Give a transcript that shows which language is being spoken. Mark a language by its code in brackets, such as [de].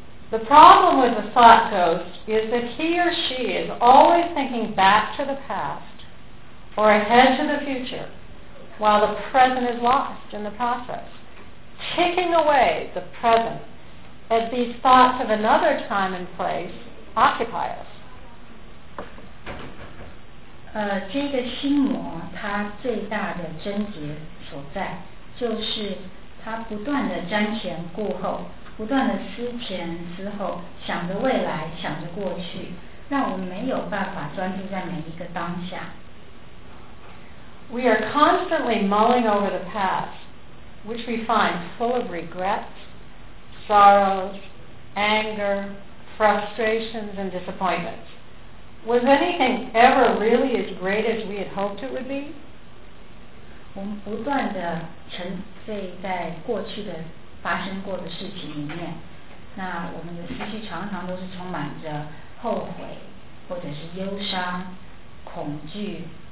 [en] The problem with the thought ghost is that he or she is always thinking back to the past or ahead to the future while the present is lost in the process, ticking away the present as these thoughts of another time and place occupy us. [zh] 这个心魔它最大的症结所在就是它不断的瞻前顾后，不断的思前思后，想着未来，想着过去，让我们没有办法专注在每一个当下。 [en] We are constantly mulling over the past, which we find full of regrets, sorrows, anger, frustrations, and disappointments. Was anything ever really as great as we had hoped it would be? [zh] 我们不断的沉醉在过去的发生过的事情里面，那我们的思绪常常都是充满着后悔或者是忧伤恐惧，